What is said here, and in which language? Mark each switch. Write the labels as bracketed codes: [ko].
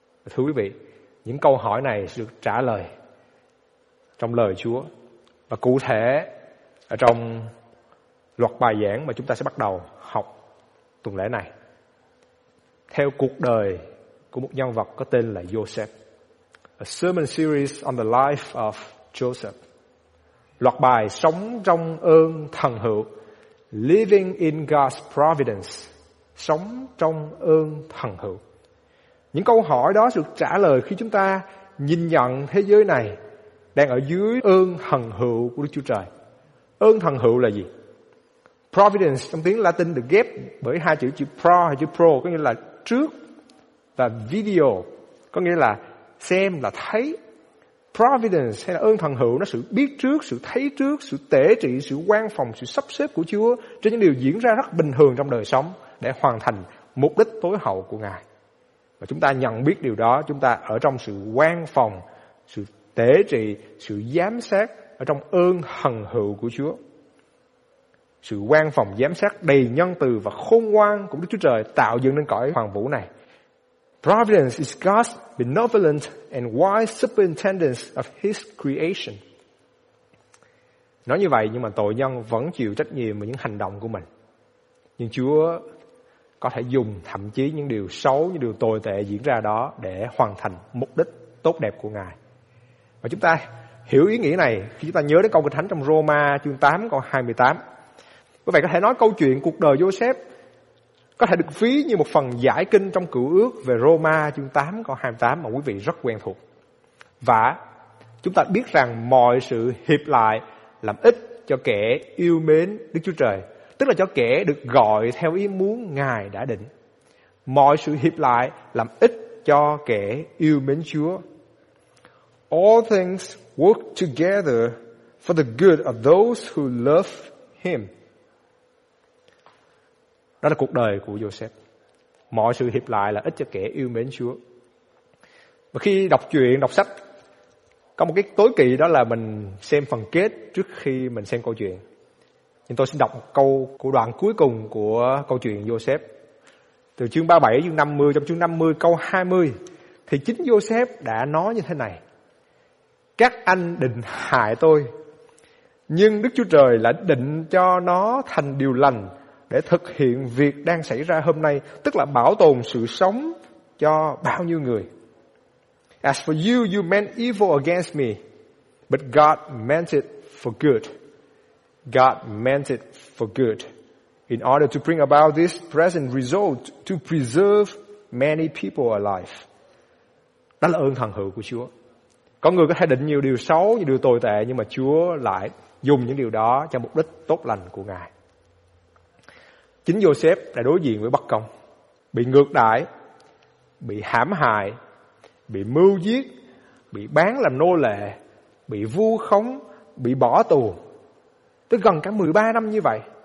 [vi] Thưa quý vị, những câu hỏi này sẽ được trả lời trong lời Chúa, và cụ thể ở trong loạt bài giảng mà chúng ta sẽ bắt đầu học tuần lễ này, theo cuộc đời của một nhân vật có tên là Joseph. [en] A sermon series on the life of Joseph. [vi] Loạt bài sống trong ơn thần hữu. [en] Living in God's providence. [vi] Sống trong ơn thần hữu. Những câu hỏi đó được trả lời khi chúng ta nhìn nhận thế giới này đang ở dưới ơn thần hữu của Đức Chúa Trời. Ơn thần hữu là gì? Providence trong tiếng Latin được ghép bởi hai chữ pro và chữ pro, có nghĩa là trước, và video có nghĩa là xem, là thấy. Providence hay là ơn thần hữu, nó sự biết trước, sự thấy trước, sự tể trị, sự quan phòng, sự sắp xếp của Chúa trên những điều diễn ra rất bình thường trong đời sống để hoàn thành mục đích tối hậu của Ngài. Và chúng ta nhận biết điều đó, chúng ta ở trong sự quan phòng, sự tể trị, sự giám sát ở trong ơn thần hữu của Chúa. Sự quan phòng, giám sát đầy nhân từ và khôn ngoan của Đức Chúa Trời tạo dựng nên cõi hoàng vũ này. [en] Providence is God's benevolent and wise superintendence of His creation. [vi] Nói như vậy nhưng mà tội nhân vẫn chịu trách nhiệm về những hành động của mình. Nhưng Chúa có thể dùng thậm chí những điều xấu, những điều tồi tệ diễn ra đó để hoàn thành mục đích tốt đẹp của Ngài. Và chúng ta hiểu ý nghĩa này khi chúng ta nhớ đến câu kinh thánh trong Roma chương 8 câu 28. Quý vị có thể nói câu chuyện cuộc đời Joseph có thể được ví như một phần giải kinh trong Cựu Ước về Roma chương 8 câu 28 mà quý vị rất quen thuộc. Và chúng ta biết rằng mọi sự hiệp lại làm ích cho kẻ yêu mến Đức Chúa Trời, tức là cho kẻ được gọi theo ý muốn Ngài đã định. Mọi sự hiệp lại làm ích cho kẻ yêu mến Chúa. [en] All things work together for the good of those who love Him. [vi] Đó là cuộc đời của Joseph. Mọi sự hiệp lại là ích cho kẻ yêu mến Chúa. Và khi đọc chuyện, đọc sách, có một cái tối kỵ đó là mình xem phần kết trước khi mình xem câu chuyện. Nhưng tôi xin đọc một câu của đoạn cuối cùng của câu chuyện Joseph. Từ chương 37 đến chương 50, trong chương 50 câu 20, thì chính Joseph đã nói như thế này. Các anh định hại tôi, nhưng Đức Chúa Trời lại định cho nó thành điều lành để thực hiện việc đang xảy ra hôm nay, tức là bảo tồn sự sống cho bao nhiêu người. [en] As for you, you meant evil against me, but God meant it for good. God meant it for good, in order to bring about this present result, to preserve many people alive. [vi] Đó là ơn thần hữu của Chúa. Có người có thể định nhiều điều xấu, nhiều điều tồi tệ, nhưng mà Chúa lại dùng những điều đó cho mục đích tốt lành của Ngài. Chính Joseph đã đối diện với bất công, bị ngược đãi, bị hãm hại, bị mưu giết, bị bán làm nô lệ, bị vu khống, bị bỏ tù, tới gần cả 13 năm như vậy.